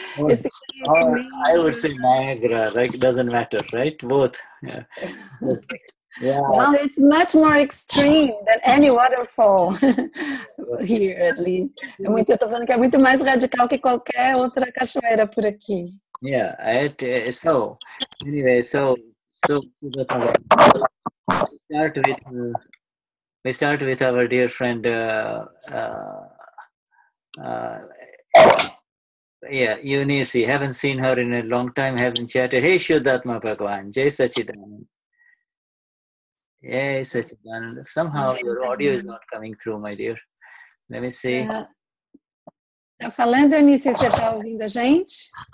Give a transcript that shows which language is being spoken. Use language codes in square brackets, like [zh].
[en] I would say Niagara, right? Doesn't matter, right? Both. Yeah. Yeah. Well, it's much more extreme than any waterfall here, at least. [pt] É muito, eu tô falando que é muito mais radical que qualquer outra cachoeira por aqui. [en] Yeah, so we start with our dear friend. Yeah, Eunice, haven't seen her in a long time, haven't chatted. Hey, Vishuddhatma Bhagwan, Jai Sachidananda. Yes, yeah, Sachidananda. Somehow your audio is not coming through, my dear. Let me see. [pt] Tá falando, Eunice, você tá ouvindo a gente?